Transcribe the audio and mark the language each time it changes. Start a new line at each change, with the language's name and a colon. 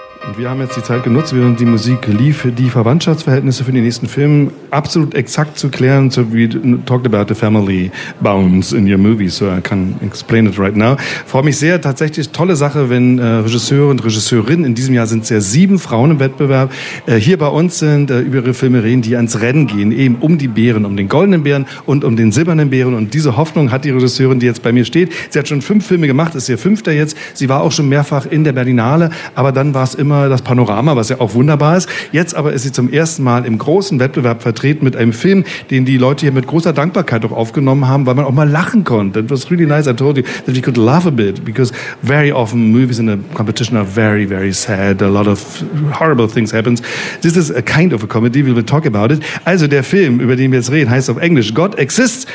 German: Und wir haben jetzt die Zeit genutzt, während die Musik lief, die Verwandtschaftsverhältnisse für die nächsten Filme absolut exakt zu klären.
English: So we talked about the family bounds in your movie, so I can explain it right now.
German: Freue mich sehr, tatsächlich tolle Sache, wenn Regisseure und Regisseurinnen, in diesem Jahr sind es ja 7 Frauen im Wettbewerb, hier bei uns sind, über ihre Filme reden, die ans Rennen gehen, eben um die Bären, um den goldenen Bären und um den silbernen Bären. Und diese Hoffnung hat die Regisseurin, die jetzt bei mir steht. Sie hat schon 5 Filme gemacht, ist ihr 5. jetzt. Sie war auch schon mehrfach in der Berlinale, aber dann war es immer das Panorama, was ja auch wunderbar ist. Jetzt aber ist sie zum ersten Mal im großen Wettbewerb vertreten mit einem Film, den die Leute hier mit großer Dankbarkeit auch aufgenommen haben, weil man auch mal lachen konnte.
English: It was really nice. I told you that we could laugh a bit, because very often movies in a competition are very, very sad. A lot of horrible things happens. This is a kind of a comedy. We will talk about it.
German: Also der Film, über den wir jetzt reden, heißt auf Englisch God Exists.